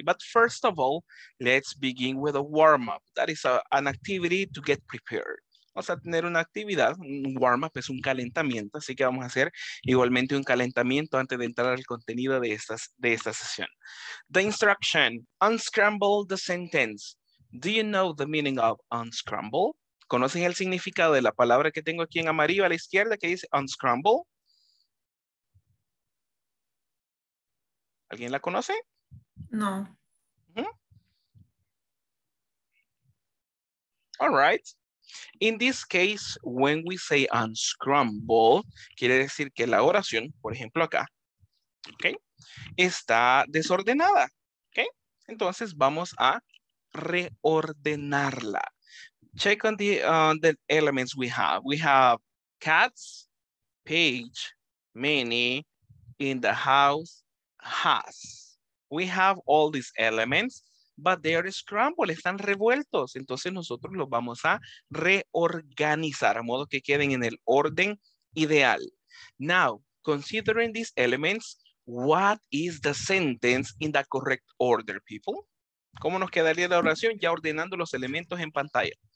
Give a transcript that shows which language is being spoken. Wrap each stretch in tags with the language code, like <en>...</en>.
<en>But first of all, let's begin with a warm-up. That is an activity to get prepared.</en> <es>Vamos a tener una actividad, un warm-up es un calentamiento, así que vamos a hacer igualmente un calentamiento antes de entrar al contenido de esta sesión.</es> <en>The instruction, unscramble the sentence. Do you know the meaning of unscramble?</en> <es>¿Conocen el significado de la palabra que tengo aquí en amarillo a la izquierda que dice unscramble? ¿Alguien la conoce? No.</es> <en>All right. In this case, when we say unscramble,</en> <es>quiere decir que la oración, por ejemplo acá, okay, está desordenada. Okay? Entonces vamos a reordenarla.</es> <en>check on the elements we have. We have cats, page, many, in the house, has. We have all these elements, but they are scrambled,</en> <es>están revueltos. Entonces nosotros los vamos a reorganizar a modo que queden en el orden ideal.</es> <en>Now, considering these elements, what is the sentence in the correct order, people?</en> <es>¿Cómo nos quedaría la oración ya ordenando los elementos en pantalla?</es>